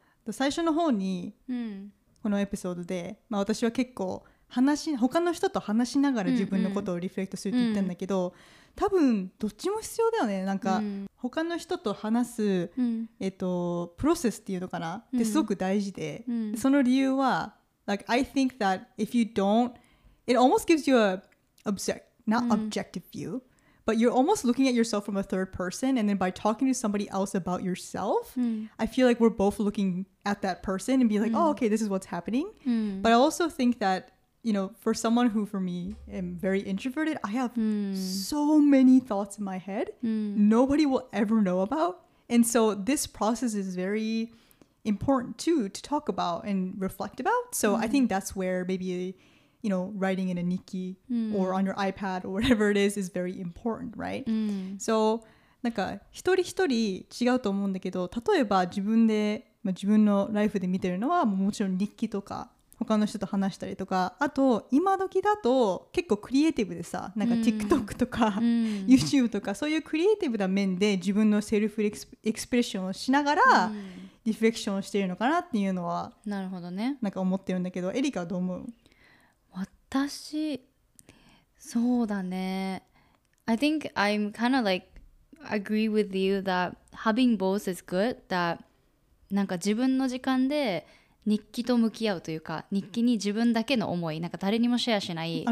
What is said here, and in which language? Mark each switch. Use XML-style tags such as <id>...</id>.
<ja>最初の方に、このエピソードで、まあ私は結構話、他の人と話しながら自分のことをリフレクトすると言ってんだけど、多分どっちも必要だよね。なんか他の人と話す、プロセスっていうのかな、ってすごく大事で、その理由は、</ja> <en>like I think that if you don't, it almost gives you a object, not objective view, but you're almost looking at yourself from a third person, and then by talking to somebody else about yourself, I feel like we're both looking at that person and be like, oh, okay, this is what's happening. But I also think that, you know, for someone who, for me, am very introverted, I have so many thoughts in my head nobody will ever know about. And so this process is very important, too, to talk about and reflect about. So I think that's where maybe, you know, writing in a nikki or on your iPad or whatever it is very important, right?</en> <ja>So, なんか一人一人違うと思うんだけど、例えば自分で、まあ、自分のライフで見てるのは もちろん日記とか、他の人と話したりとか、あと今時だと結構クリエイティブでさ、なんか TikTok とか YouTube とかそういうクリエイティブな面で自分のセルフエクスプレッションをしながらリフレクションをしているのかなっていうのは、なるほどね。なんか思ってるんだけど、エリカはどう思う？私、そうだね。</ja> <en>I think I'm kind of like agree with you that having both is good.</en> <ja>That なんか自分の時間で日記と向き合うというか、日記に自分だけの思い、なんか誰にもシェアしない、</ja>